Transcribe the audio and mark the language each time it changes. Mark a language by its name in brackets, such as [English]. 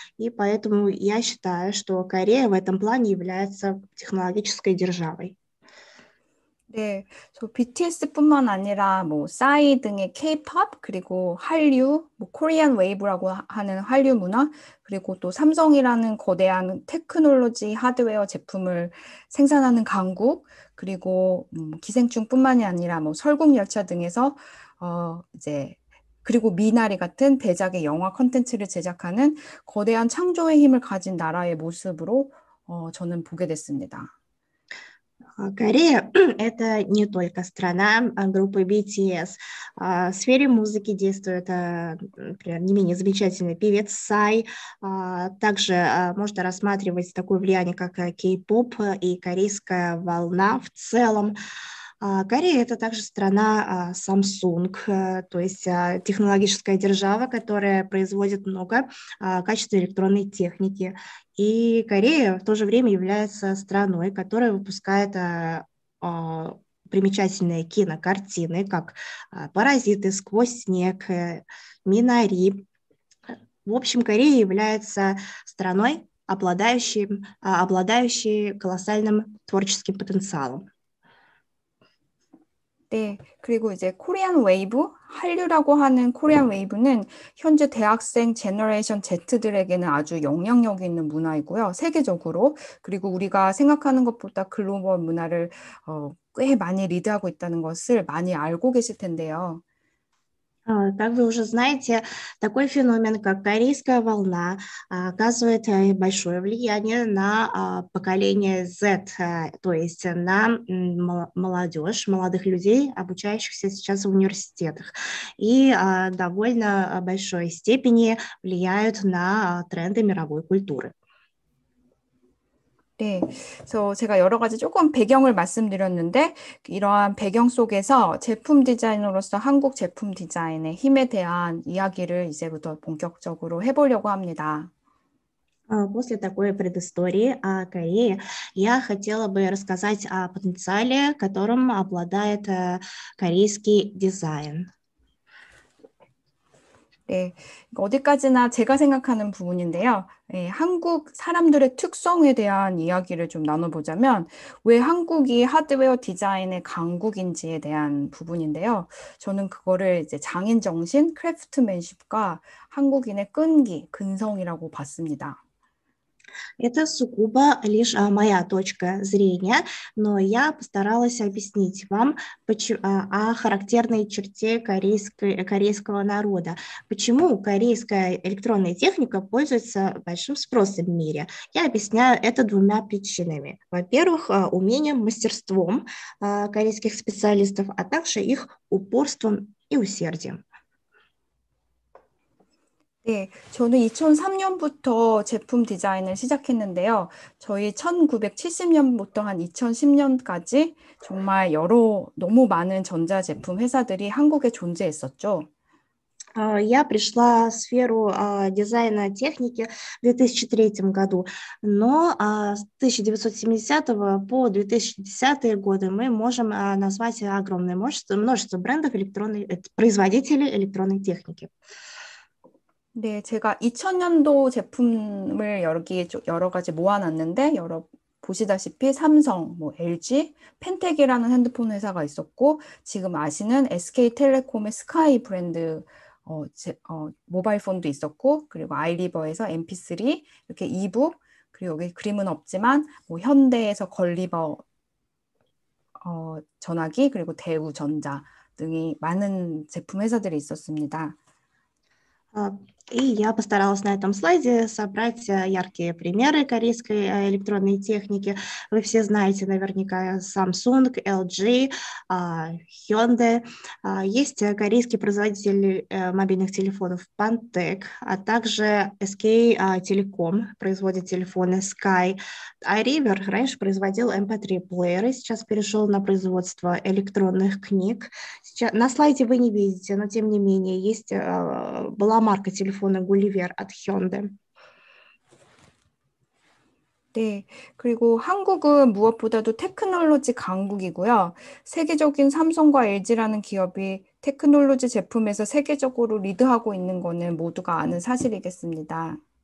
[Russian] И поэтому я считаю, что Корея в этом плане является технологической державой. [Korean] 네, 저 BTS뿐만 아니라 뭐 싸이 등의 K-pop 그리고 한류, 뭐 코리안 웨이브라고 하는 한류 문화, 그리고 또 삼성이라는 거대한 테크놀로지 하드웨어 제품을 생산하는 강국, 그리고 기생충뿐만이 아니라 뭐 설국열차 등에서 이제 그리고 미나리 같은 대작의 영화 콘텐츠를 제작하는 거대한 창조의 힘을 가진 나라의 모습으로 저는 보게 됐습니다. [Russian] Корея — это не только страна группы BTS. В сфере музыки действует, например, не менее замечательный певец Сай. Также можно рассматривать такое влияние, как K-pop и корейская волна в целом. Корея — это также страна Samsung, то есть технологическая держава, которая производит много качественной электронной техники. И Корея в то же время является страной, которая выпускает примечательные кинокартины, как «Паразиты», «Сквозь снег», «Минари». В общем, Корея является страной, обладающей колоссальным творческим потенциалом. [Korean] 네, 그리고 이제 코리안 웨이브, 한류라고 하는 코리안 웨이브는 현재 대학생 제너레이션 Z들에게는 아주 영향력 있는 문화이고요. 세계적으로. 그리고 우리가 생각하는 것보다 글로벌 문화를 꽤 많이 리드하고 있다는 것을 많이 알고 계실 텐데요. [Russian] Как вы уже знаете, такой феномен, как корейская волна, оказывает большое влияние на поколение Z, то есть на молодежь, молодых людей, обучающихся сейчас в университетах. И довольно большой степени влияют на тренды мировой культуры. [Korean] 네, 그래서 제가 여러 가지 조금 배경을 말씀드렸는데, 이러한 배경 속에서 제품 디자인으로서 한국 제품 디자인의 힘에 대한 이야기를 이제부터 본격적으로 해보려고 합니다. [Russian] После такой предыстории о Корее, я хотела бы рассказать о потенциале, которым обладает корейский дизайн. [Korean] 네, 어디까지나 제가 생각하는 부분인데요. 네, 한국 사람들의 특성에 대한 이야기를 좀 나눠보자면, 왜 한국이 하드웨어 디자인의 강국인지에 대한 부분인데요. 저는 그거를 이제 장인정신, 크래프트맨십과 한국인의 끈기, 근성이라고 봤습니다. [Russian] Это сугубо лишь моя точка зрения, но я постаралась объяснить вам о характерной черте корейского народа. Почему корейская электронная техника пользуется большим спросом в мире? Я объясняю это двумя причинами. Во-первых, умением, мастерством корейских специалистов, а также их упорством и усердием. [Korean] 네, 저는 2003년부터 제품 디자인을 시작했는데요. 저희 1970년부터 한 2010년까지 정말 너무 많은 전자 제품 회사들이 한국에 존재했었죠. [Russian] Я пришла в сферу дизайна техники в 2003 году, но с 1970 по 2010 годы мы можем назвать огромное множество брендов производителей электронной техники. [Korean] 네, 제가 2000년도 제품을 여러 가지 모아놨는데, 보시다시피 삼성, 뭐 LG, 펜텍이라는 핸드폰 회사가 있었고, 지금 아시는 SK텔레콤의 스카이 브랜드, 모바일 폰도 있었고, 그리고 아이리버에서 MP3, 이렇게 이북, 그리고 여기 그림은 없지만, 뭐 현대에서 걸리버, 전화기, 그리고 대우전자 등이 많은 제품 회사들이 있었습니다. [Russian] И я постаралась на этом слайде собрать яркие примеры корейской электронной техники. Вы все знаете наверняка Samsung, LG, Hyundai. Есть корейский производитель мобильных телефонов Pantech, а также SK Telecom производит телефоны Sky. iRiver раньше производил MP3-плееры, сейчас перешел на производство электронных книг. Сейчас, на слайде вы не видите, но тем не менее есть была марка телефона Гулливер от Хёнде. [Korean] 네, 그리고 한국은 무엇보다도 테크놀로지 강국이고요. 세계적인 삼성과 LG라는 기업이 테크놀로지 제품에서 세계적으로 리드하고 있는 거는 모두가 아는 사실이겠습니다.